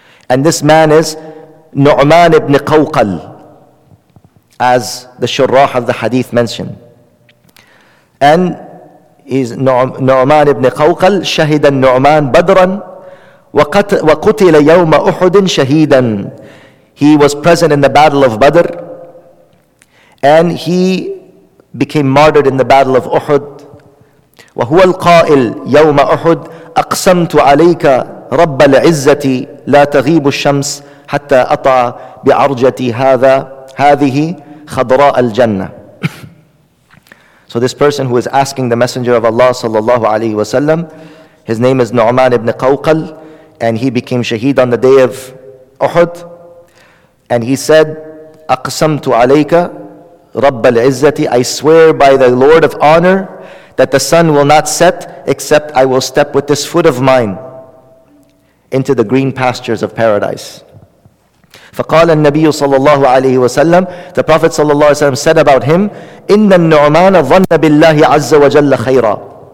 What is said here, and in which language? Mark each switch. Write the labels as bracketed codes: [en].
[en] And this man is نعمان بن قوقل, as the Sharrah of the Hadith mentioned. And is [ar] نعمان بن قوقل شهد النعمان بدرا وقتل يوم أحد شهيدا. [en] He was present in the Battle of Badr, and he became martyred in the Battle of Uhud. [ar] وهو القائل يوم أحد أقسمت عليك رب العزة لا تغيب الشمس حتى أطع بعرجتي هذا هذه خضراء الجنة. [en] So this person who is asking the Messenger of Allah sallallahu alayhi wa sallam, his name is Nu'man ibn Qawqal, and he became shaheed on the day of Uhud. And he said, [ar] أقسمت عليك رب العزة, [en] I swear by the Lord of Honor that the sun will not set except I will step with this foot of mine into the green pastures of paradise. [ar] فقال النبي صلى الله عليه وسلم, [en] the Prophet [ar] صلى الله عليه وسلم [en] said about him, [ar] إن النعمان ظن بالله عز وجل خيرا.